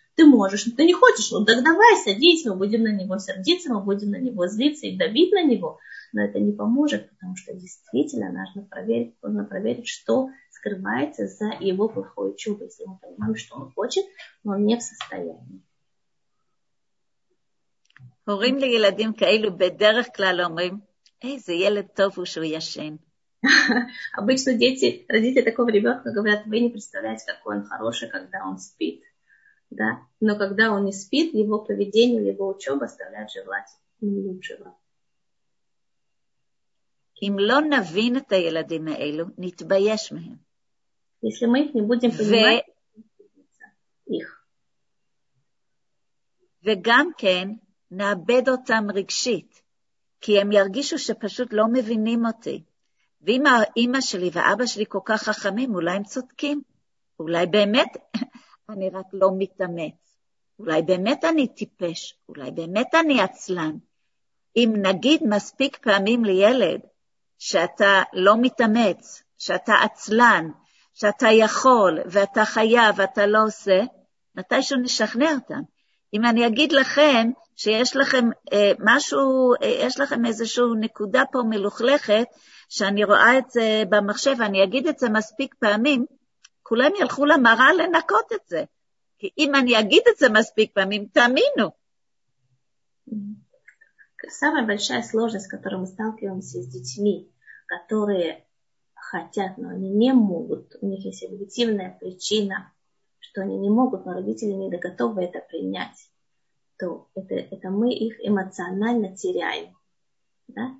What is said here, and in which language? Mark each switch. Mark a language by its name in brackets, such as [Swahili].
[Russian] Ты можешь, но ты не хочешь, ну так давай садись, мы будем на него сердиться, мы будем на него злиться и давить на него. Но это не поможет, потому что действительно нужно проверить, что скрывается за его плохой учебой. Если мы понимаем, что он хочет, но он не в состоянии. [Hebrew] הורים לילדים כאלו בדרך כלל אומרים, איזה ילד טוב הוא שהוא ישן. [Russian] Обычно дети, родители такого ребенка говорят, вы не представляете, какой он хороший, когда он спит. Да? Но когда он не спит, его поведение, его учеба оставляет желать лучшего. [Hebrew] אם לא נבין את הילדים האלו, נתבייש מהם. [Russian] Если мы их не будем понимать, [Hebrew] וגם כן, נאבד אותם רגשית, כי הם ירגישו שפשוט לא מבינים אותי. ואם האמא שלי ואבא שלי כל כך חכמים, אולי הם צודקים? אולי באמת אני רק לא מתאמץ? אולי באמת אני טיפש? אולי באמת אני עצלן? אם נגיד מספיק פעמים לילד, שאתה לא מתאמץ, שאתה עצלן, שאתה יכול ואתה חייב ואתה לא עושה, מתי שהוא נשכנע אותם. אם אני אגיד לכם שיש לכם משהו, יש לכם איזשהו נקודה פה מלוכלכת, שאני רואה את זה במחשב, אני אגיד את זה מספיק פעמים, כולם ילכו למראה לנקות את זה. כי אם אני אגיד את זה מספיק פעמים, תאמינו. [Russian] Самая большая сложность, с которой мы сталкиваемся с детьми, которые хотят, но они не могут, у них есть объективная причина, что они не могут, но родители не готовы это принять, то это мы их эмоционально теряем. Да?